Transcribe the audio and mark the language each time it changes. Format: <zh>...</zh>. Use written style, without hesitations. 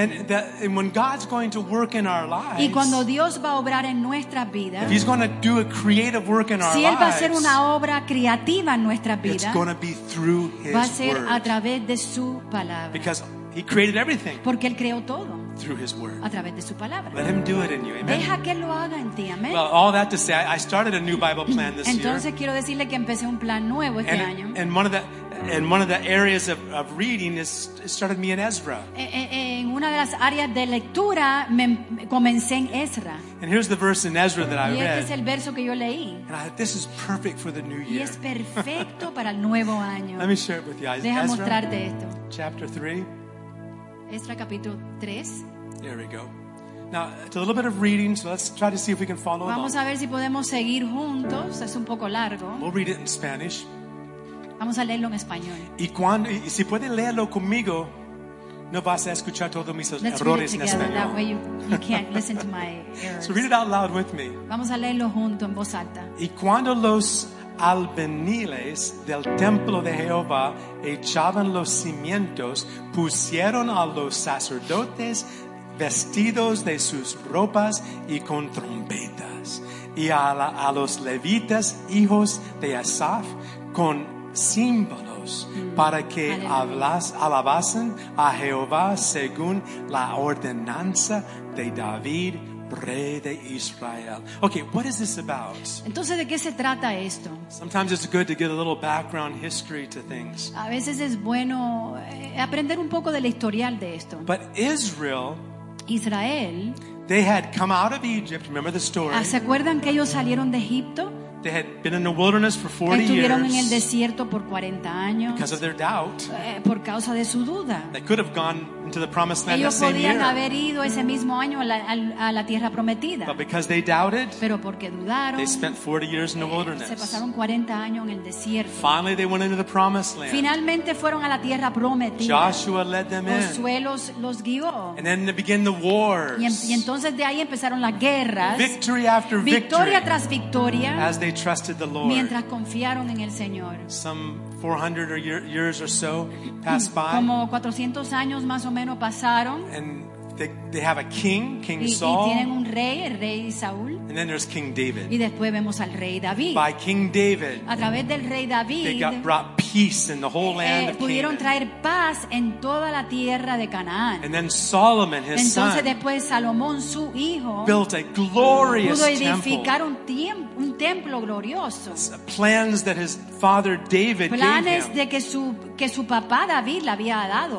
<en>And when God's going to work in our lives,</en> <es>y cuando Dios va a obrar en nuestras vidas,</es> <en>if He's going to do a creative work in our lives,</en> <es>si él va a hacer una obra creativa en nuestras vidas,</es> <en>it's going to be through His word.</en> <es>Va a ser a través de su palabra.</es> <en>Because He created everything.</en> <es>Porque él creó todo.</es> <en>Through His word.</en> <es>A través de su palabra.</es> <en>Let Him do it in you. Amen.</en> <es>Deja que lo haga en ti. Amen.</es> <en>Well, all that to say, I started a new Bible plan this</en> <es>Entonces,</es> <en>year.</en> <es>Quiero decirle que empecé un plan nuevo este año.</es> <en>And one of the areas of reading is started me in Ezra.</en> <es>En una de las áreas de lectura me comencé en Ezra.</es> <en>And here's the verse in Ezra that I read.</en> <es>Y este es el verso que yo leí.</es> <en>And I thought, this is perfect for the new year.</en> <es>Y es perfecto para el nuevo año.</es> <en>Let me share it with you.</en> <es>Deja mostrarte esto.</es> <en>Chapter 3.</en> <es>Ezra capítulo 3.</es> <en>There we go. Now, it's a little bit of reading, so let's try to see if we can follow along.</en> <es>Vamos a ver si podemos seguir juntos. Es un poco largo.</es> <en>We'll read it in Spanish.</en> <es>Vamos a leerlo en español. Y cuando, y si puede leerlo conmigo, no vas a escuchar todos mis</es> <en>let's</en> <es>errores en español.</es> <en>That way you can't listen to my errors. So read it out loud with me.</en> <es>Vamos a leerlo junto en voz alta. Y cuando los albañiles del templo de Jehová echaban los cimientos, pusieron a los sacerdotes vestidos de sus ropas y con trompetas, y a los levitas hijos de Asaf con címbalos, para que alabasen a Jehová según la ordenanza de David, rey de Israel.</es> <en>Okay, what is this about?</en> <es>Entonces, ¿de qué se trata esto?</es> <en>Sometimes it's good to get a little background history to things.</en> <es>A veces es bueno aprender un poco del historial de esto.</es> <en>But Israel,</en> <es>Israel,</es> <en>they had come out of Egypt. Remember the story?</en> <es>¿Se acuerdan que ellos salieron de Egipto?</es> <en>They had been in the wilderness for 40 years.</en> <es>Estuvieron en el desierto por 40 años.</es> <en>Because of their doubt.</en> <es>Por causa de su duda.</es> <en>They could have gone into the promised land</en> <es>ellos</es> <en>the same</en> <es>podían</es> <en>year.</en> <es>Haber ido ese mismo año a la tierra prometida.</es> <en>But because they doubted,</en> <es>pero porque dudaron,</es> <en>they spent 40 years in the wilderness.</en> <es>Se pasaron 40 años en el desierto.</es> <en>Finally they went into the promised land.</en> <es>Finalmente fueron a la tierra prometida.</es> <en>Joshua led them in.</en> <es>Josué los guió.</es> <en>And then they began the wars.</en> <es>Y entonces de ahí empezaron las guerras.</es> <en>Victory after victory.</en> <es>Victoria tras victoria.</es> <en>As they trusted the Lord.</en> <es>Mientras confiaron en el Señor.</es> <en>Some 400 years or so passed by.</en> <es>Como 400 años más o menos pasaron.</es> <en>And they have a king, King Saul.</en> <es>Y tienen un rey, el rey Saúl.</es> <en>And then there's King David.</en> <es>Y después vemos al rey David.</es> <en>By King David.</en> <es>A través del rey David.</es> <en>They got brought peace in the whole land of</en> <es>pudieron</es> <en>Canaan.</en> <es>Traer paz en toda la tierra de Canaán.</es> <en>And then Solomon, his</en> <es>Entonces,</es> <en>son.</en> <es>Entonces después Salomón, su hijo.</es> <en>Built a glorious temple.</en> <es>Pudo edificar un templo glorioso.</es> <en>Plans that his father David</en> <es>Planes</es> <en>gave him.</en> <es>De que su papá David le había dado.</es>